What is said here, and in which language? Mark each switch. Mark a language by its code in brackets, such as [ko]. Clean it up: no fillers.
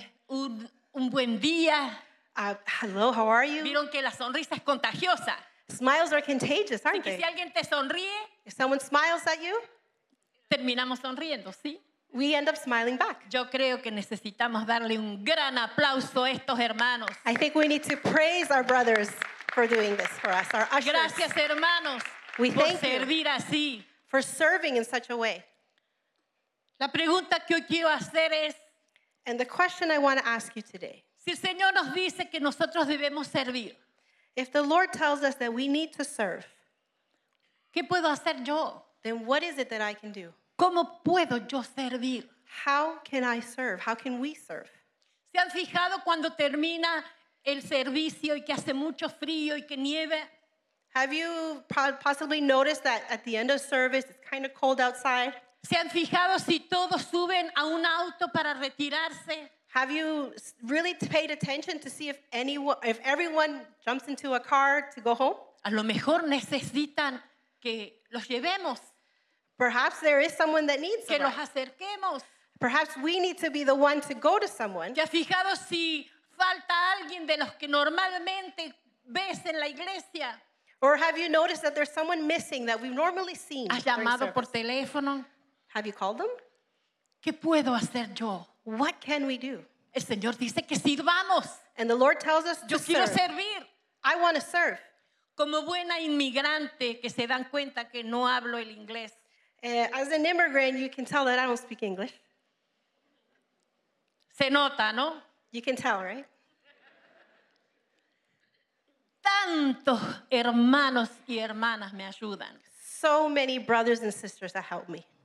[es] Un buen día. [en] Hello, how are you? [es] Vieron que la sonrisa es contagiosa. [en] Smiles are contagious, aren't they? [es] Si alguien te sonríe, [en] if someone smiles at you, [es] terminamos sonriendo, ¿sí? [en] We end up smiling back. [es] Yo creo que necesitamos darle un gran aplauso a estos hermanos. [en] I think we need to praise our brothers for doing this for us, our ushers. [es] Gracias, hermanos, [en] we [es] por [en] thank [es] servir [en] you [es] así [en] for serving in such a way. [es] La pregunta que hoy quiero hacer es, [en] and the question I want to ask you today, [es] si el Señor nos dice que nosotros debemos servir, [en] if the Lord tells us that we need to serve, [es] ¿qué puedo hacer yo? [en] Then what is it that I can do? [es] ¿Cómo puedo yo servir? [en] How can I serve? How can we serve? [es] ¿Se han fijado cuando termina el servicio y que hace mucho frío y que nieve? [en] Have you possibly noticed that at the end of service, it's kind of cold outside? [es] ¿Se han fijado si todos suben a un auto para retirarse? [en] Have you really paid attention to see if everyone jumps into a car to go home? [es] A lo mejor necesitan que los llevemos. [en] Perhaps there is someone that needs [es] que nos acerquemos. [en] Perhaps we need to be the one to go to someone. [es] ¿Se han fijado si falta alguien de los que normalmente ves en la iglesia? [en] Or have you noticed that there's someone missing that we've normally seen? [es] ¿Has llamado por teléfono? [en] Have you called them? [es] ¿Qué puedo hacer yo? [en] What can we do? [es] El Señor dice que sirvamos. [en] And the Lord tells us [es] yo [en] to [es] quiero [en] serve. [es] Servir. [en] I want to serve. [es] Como buena inmigrante que se dan cuenta que no hablo el inglés. [en] As an immigrant, you can tell that I don't speak English. [es] Se nota, ¿no? [en] You can tell, right? [es] Tantos hermanos y hermanas me ayudan. [en] So many brothers and sisters that help me.